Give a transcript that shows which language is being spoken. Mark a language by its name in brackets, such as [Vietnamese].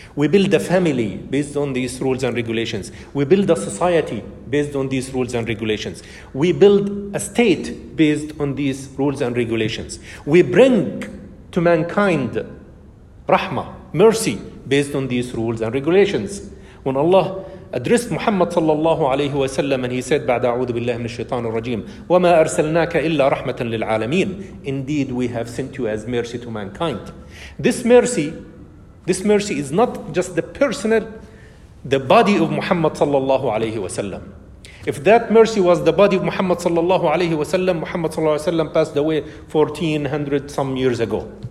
[English] We build a family based on these rules and regulations. We build a society based on these rules and regulations. We build a state based on these rules and regulations. We bring to mankind rahmah, mercy, based on these rules and regulations. When Allah addressed Muhammad sallallahu alayhi wa sallam, and he said, [Arabic] بعد أعوذ بالله من الشيطان الرجيم وما أرسلناك إلا رحمة للعالمين. [English] Indeed, we have sent you as mercy to mankind. This mercy is not just the personal, the body of Muhammad sallallahu alayhi wa sallam. If that mercy was the body of Muhammad sallallahu alayhi wa sallam, Muhammad sallallahu alayhi wa sallam passed away 1400 some years ago.